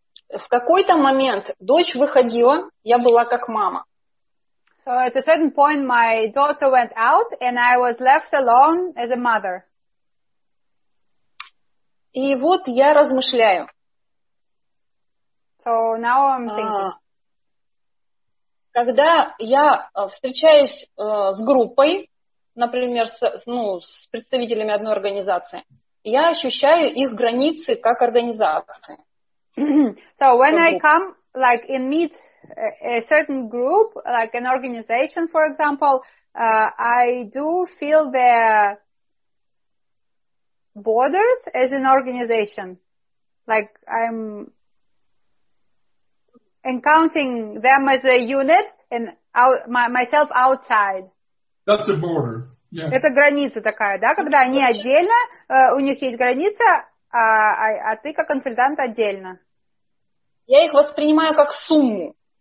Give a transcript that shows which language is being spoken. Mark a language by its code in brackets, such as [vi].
[ru] В какой-то момент дочь выходила, я была как мама. [en] So at a certain point my daughter went out, and I was left alone as a mother. [ru] И вот я размышляю. [en] So now I'm thinking. [ru] Когда я встречаюсь с группой, например, с представителями одной организации, я ощущаю их границы как организации. [en] So when I come like and meet a certain group, like an organization, for example, I do feel their borders as an organization. Like I'm encountering them as a unit and myself outside. That's a border. Yeah. [ru] Это граница такая, да, когда они отдельно, у них есть граница, а ты как консультант отдельно. Я их воспринимаю как сумму.